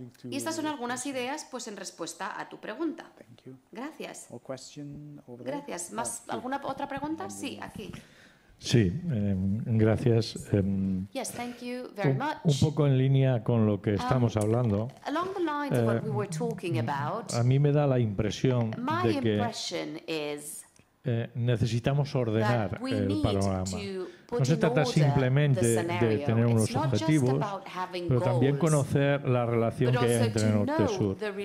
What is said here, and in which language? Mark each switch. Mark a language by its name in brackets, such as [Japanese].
[Spanish] Y estas son algunas ideas pues en respuesta a tu pregunta. Gracias. Gracias. ¿Más alguna otra pregunta? Sí, aquí. Sí, gracias. [English] Yes, thank you very much. [Spanish] Un poco en línea con lo que estamos hablando. [English] Along the lines of what we were talking about. [Spanish] A mí me da la impresión de que necesitamos ordenar el panorama. No se trata simplemente de tener unos objetivos, pero también conocer la relación que hay entre el norte y el sur.